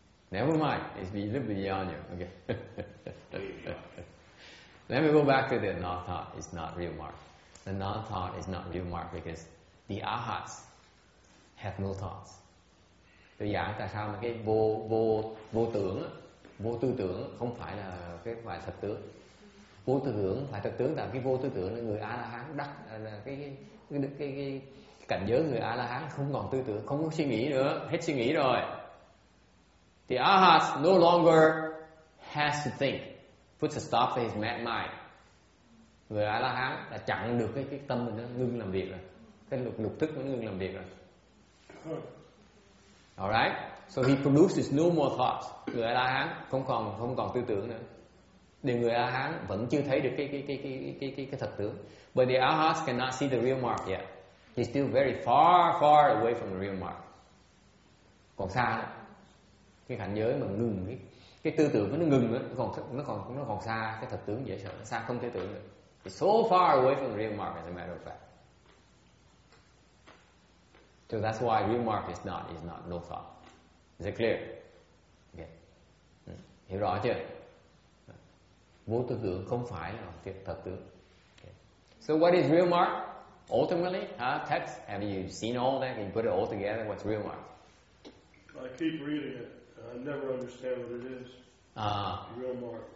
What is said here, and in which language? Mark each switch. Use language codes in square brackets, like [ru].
[en] Never mind, it's a little bit beyond you. Okay. Let me go back to the non-thought. It's not real mark. The non-thought is not real mark because the ahas have no thoughts. [vi] Tôi giảng tại sao mà cái vô tưởng, vô tư tưởng không phải là cái phải thật tướng. Vô tư tưởng phải thật tướng là cái vô tư tưởng là người A La Hán đắc là cái cảnh giới người A La Hán không còn tư tưởng, không có suy nghĩ nữa, hết suy nghĩ rồi. [en] The Arhat no longer has to think, puts a stop to his mad mind. [vi] Người A La Hán đã chặn được cái tâm mình nó ngưng làm việc rồi, cái lục thức nó ngưng làm việc rồi. [en] Alright, so he produces no more thoughts. [vi] Người A La Hán không còn tư tưởng nữa. Thì người A La Hán vẫn chưa thấy được cái thật tướng. [en] But the Arhats cannot see the real mark yet. He's still very far, far away from the real mark. [vi] Còn xa nữa. Cái cảnh giới mà ngừng cái tư tưởng nó ngừng nữa, nó còn xa cái thật tướng dễ sợ, nó xa không thể tưởng được. [en] It's so far away from the real mark, as a matter of fact. So that's why real mark is not no thought. Is it clear? Okay. [vi] Hiểu rõ chưa? Vô tư tưởng không phải là thật tướng. Okay. [en] So what is real mark? ultimately, text, have you seen all that? Can you put it all together? What's real mark? I keep reading it. I never understand what it is. Real mark.